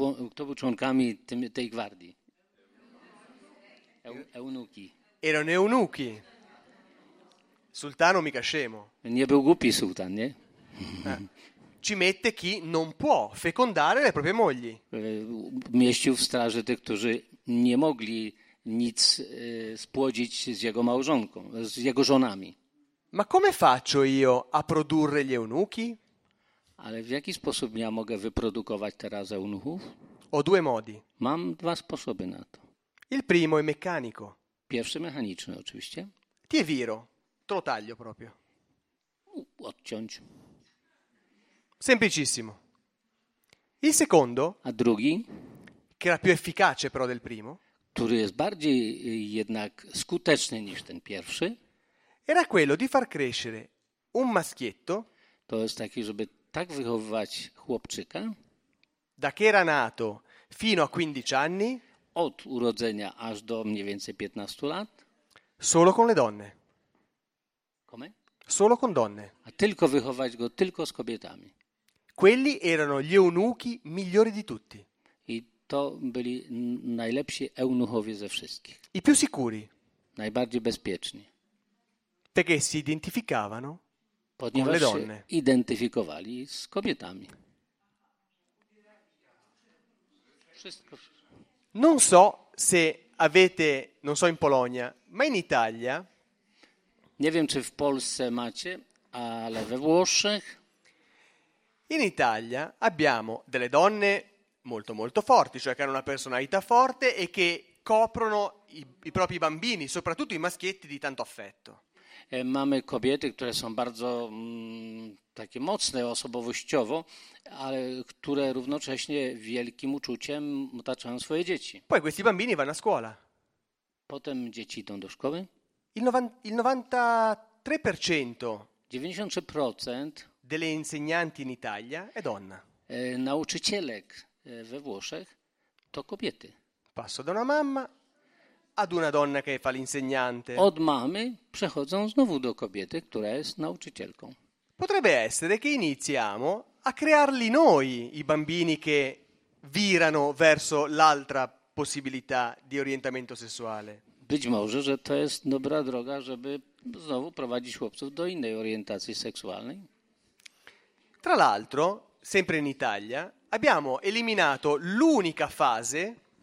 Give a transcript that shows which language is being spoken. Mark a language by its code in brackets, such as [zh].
[pl] Kto był członkami tej gwardii? Eunuchi. [it] Erano eunuchi. Sultano mica scemo. [pl] Nie był głupi sultan, nie? [it] Ci mette chi non può fecondare le proprie mogli. [pl] Mieścił w straży tych, którzy nie mogli nic spłodzić z jego małżonką, z jego żonami. [it] Ma come faccio io a produrre gli eunuchi? [pl] Ale w jaki sposób ja mogę wyprodukować teraz eunuchów? [it] Ho due modi. [pl] Mam dwa sposoby na to. [it] Il primo è meccanico. [pl] Pierwszy mechaniczny oczywiście. [it] Ti viro, te lo taglio proprio. [pl] Odciąć. [it] Semplicissimo. Il secondo, [pl] a drugi, [it] che era più efficace però del primo, [pl] który jest bardziej jednak skuteczny niż ten pierwszy, [it] era quello di far crescere un maschietto, [pl] to jest taki, żeby tak wychowywać chłopczyka, [it] da che era nato fino a 15 anni, [pl] od urodzenia aż do mniej więcej 15 lat, [it] solo con le donne. Come? Solo con donne. [pl] A tylko wychować go tylko z kobietami. [it] Quelli erano gli eunuchi migliori di tutti. [pl] I to byli najlepsi eunuchowie ze wszystkich. [it] I più sicuri. [pl] Najbardziej bezpieczni. [it] Perché si identificavano con le donne. [pl] Si identyfikowali z kobietami. Wszystko. [it] Non so se avete, non so in Polonia, ma in Italia. [pl] Nie wiem czy w Polsce macie, ale we Włoszech. [it] In Italia abbiamo delle donne molto molto forti, cioè che hanno una personalità forte e che coprono i propri bambini, soprattutto i maschietti, di tanto affetto. [pl] Mamy kobiety, które są bardzo takie mocne osobowościowo, ale które równocześnie wielkim uczuciem otaczają swoje dzieci. [it] Poi questi bambini vanno a scuola. [pl] Potem dzieci idą do szkoły. [it] Il 93%. [pl] 93%. [it] Delle insegnanti in Italia è donna. [pl] Nauczycielek we Włoszech to kobiety. [it] Passo da una mamma ad una donna che fa l'insegnante. [pl] Od mamy przechodzą znowu do kobiety, która jest nauczycielką. [it] Potrebbe essere che iniziamo a crearli noi, i bambini che virano verso l'altra possibilità di orientamento sessuale. [pl] Być może, że to jest dobra droga, żeby znowu prowadzić chłopców do innej orientacji seksualnej. [it] Tra l'altro, sempre in Italia, abbiamo eliminato l'unica fase.